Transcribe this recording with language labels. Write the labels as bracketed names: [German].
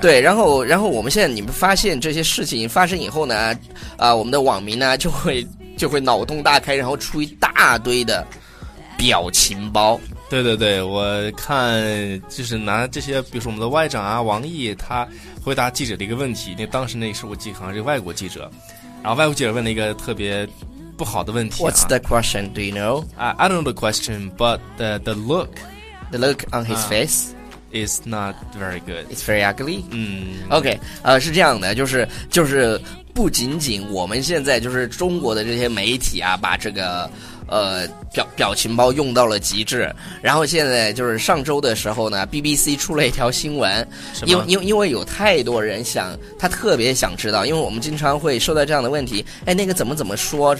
[Chinese] 对，然后我们现在你们发现这些事情发生以后呢，我们的网民呢就会脑洞大开，然后出一大堆的表情包。对对对，我看就是拿这些，比如说我们的外长啊，王毅，他回答记者的一个问题，那时候我记得好像是外国记者，然后外国记者问了一个特别不好的问题、啊。 [English] What's the question? Do you know? I don't know the question, but the look on his face. It's not very good. It's very ugly. [Chinese] 嗯，OK， 是这样的，就是不仅仅我们现在就是中国的这些媒体啊，把这个表情包用到了极致。然后现在就是上周的时候呢 ，BBC 出了一条新闻，因为有太多人特别想知道，因为我们经常会收到这样的问题，哎，那个怎么怎么说？